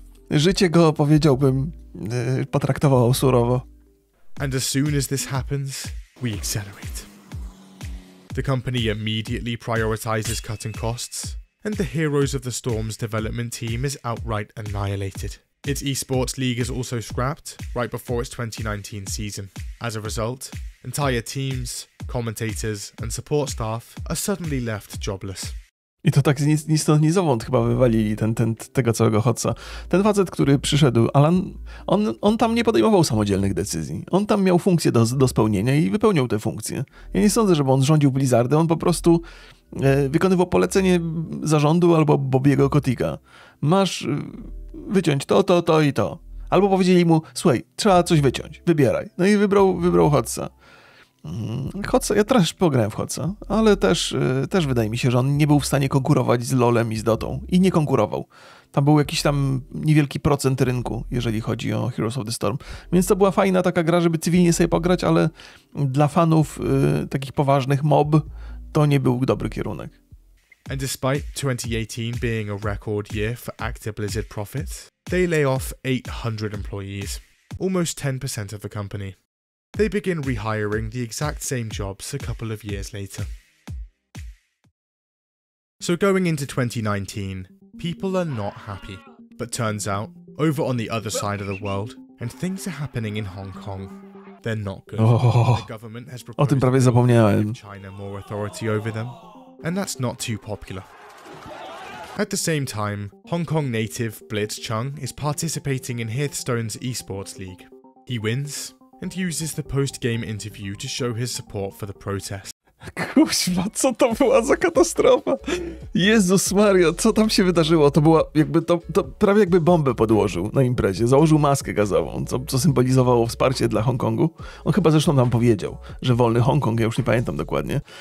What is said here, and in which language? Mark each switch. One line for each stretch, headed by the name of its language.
Polish: Życie go, powiedziałbym, potraktowało surowo.
English: And as soon as this happens, we accelerate. The company immediately prioritizes cutting costs, and the Heroes of the Storm's development team is outright annihilated. Its esports league is also scrapped right before its 2019 season. As a result, entire teams, commentators, and support staff are suddenly left jobless.
Polish: I to tak ni stąd, ni zowąd chyba wywalili tego całego chodca. Ten facet, który przyszedł, Alan, on tam nie podejmował samodzielnych decyzji. On tam miał funkcję do spełnienia i wypełniał te funkcje. Ja nie sądzę, żeby on rządził Blizzardem, on po prostu wykonywał polecenie zarządu albo Bobiego Kotika. Masz wyciąć to i to. Albo powiedzieli mu, słuchaj, trzeba coś wyciąć, wybieraj. No i wybrał chodca. Chodca, ja też pograłem w Chodca, ale też wydaje mi się, że on nie był w stanie konkurować z LoLem i z Dotą. I nie konkurował. Tam był jakiś tam niewielki procent rynku, jeżeli chodzi o Heroes of the Storm. Więc to była fajna taka gra, żeby cywilnie sobie pograć, ale dla fanów takich poważnych mob to nie był dobry kierunek.
English: And despite 2018 being a record year for ActiBlizzard profits, they lay off 800 employees, almost 10% of the company. They begin rehiring the exact same jobs a couple of years later. So going into 2019, people are not happy. But turns out, over on the other side of the world, and things are happening in Hong Kong, they're not good. Oh, the government has proposed,
Polish: o tym prawie zapomniałem,
English: give China more authority over them, and that's not too popular. At the same time, Hong Kong native Blitz Chung is participating in Hearthstone's esports league. He wins and uses the post-game interview to show his support for the protest.
Polish: Kuźma, co to była za katastrofa? Jezus Mario, co tam się wydarzyło? To była jakby, to prawie jakby bombę podłożył na imprezie. Założył maskę gazową, co symbolizowało wsparcie dla Hongkongu. On chyba zresztą nam powiedział, że wolny Hongkong, ja już nie pamiętam dokładnie.